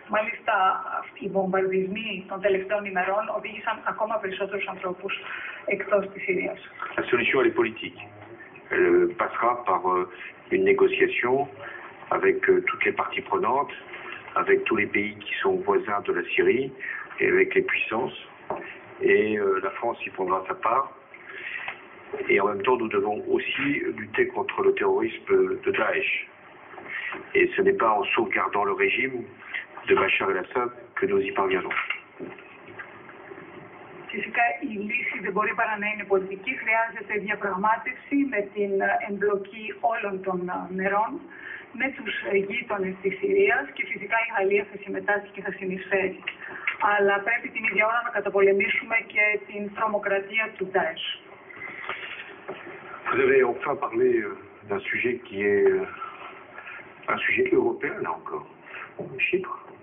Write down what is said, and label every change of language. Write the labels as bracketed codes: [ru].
[el] Μάλιστα, οι βομβαρδισμοί των τελευταίων ημερών οδήγησαν ακόμα περισσότερους ανθρώπους εκτός της Συρίας. [fr] La solution est politique. Elle passera par une négociation avec toutes les parties prenantes, avec tous les pays qui sont voisins de la Syrie et avec les puissances. Et la France y prendra sa part. Et en même temps, nous devons aussi lutter contre le terrorisme de Daesh. Et ce n'est pas en sauvegardant le régime de Bachar el-Assad que nous y parviendrons. [el] Φυσικά η λύση δεν μπορεί παρά να είναι πολιτική. Χρειάζεται διαπραγμάτευση με την εμπλοκή όλων των νερών, με τους γείτονες της Συρίας και φυσικά η Γαλλία θα συμμετάσχει και θα συνεισφέρει. Αλλά πρέπει την ίδια ώρα να καταπολεμήσουμε και την τρομοκρατία του Daesh. [fr] Vous avez enfin parlé d'un sujet qui est un sujet européen là encore, Chypre.